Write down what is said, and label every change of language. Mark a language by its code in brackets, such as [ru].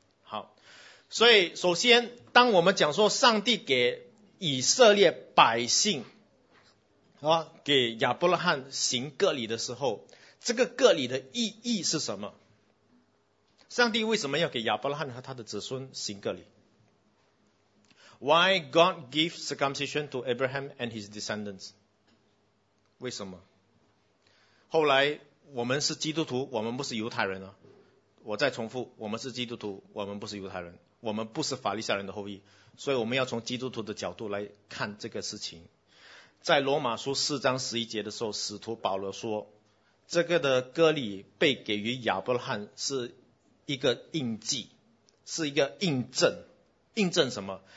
[zh] 好，所以首先当我们讲说上帝给以色列百姓给亚伯拉罕行割礼的时候，这个割礼的意义是什么？上帝为什么要给亚伯拉罕和他的子孙行割礼？ [en] Why God give circumcision to Abraham and his descendants? [zh] 为什么？后来我们是基督徒，我们不是犹太人啊。我再重复，我们是基督徒，我们不是犹太人，我们不是法利赛人的后裔，所以我们要从基督徒的角度来看这个事情。在罗马书四章十一节的时候，使徒保罗说，这个的割礼被给予亚伯拉罕是一个印记，是一个印证。印证什么？